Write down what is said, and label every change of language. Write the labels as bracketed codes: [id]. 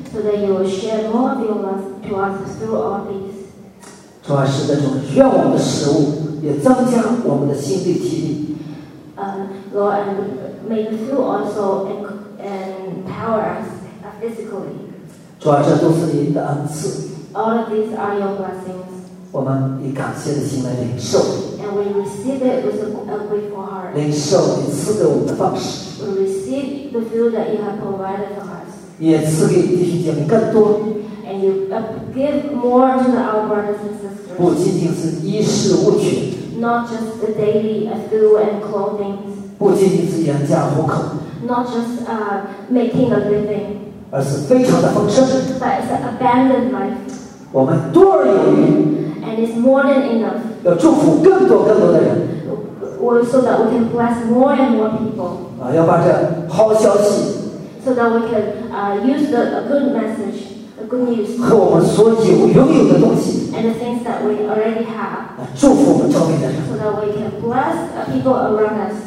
[en] ，so that you will share more of your love to us through all these. [zh] 主啊，是的，主，愿我们的食物也增加我们的心力体力。 [en] Lord, and may the food also empower us physically. [zh] 主啊，这都是您的恩赐。 [en] All of these are your blessings. [zh] 我们以感谢的心来领受。 [en] And we receive it with a grateful heart. [zh] 领受你赐给我们的方式。 [en] We receive the food that you have provided for us. [zh] 也赐给弟兄姐妹更多。 [en] And you give more to our brothers and sisters. [zh] 不仅仅是衣食物质。 [en] Not just the daily food and clothing. [zh] 不仅仅是养家糊口。 [en] Not just making a living. [zh] 而是非常的丰盛。 [en] But it's an abandoned life. [zh] 我们多而有余。 [en] And it's more than enough. [zh] 要祝福更多更多的人。 [en] So that we can bless more and more people. [zh] 要把这好消息。 [en] So that we can use the good message, the good news. [zh] 和我们所有拥有的东西。 [en] And the things that we already have. [zh] 祝福我们周围的人。 [en] So that we can bless people around us.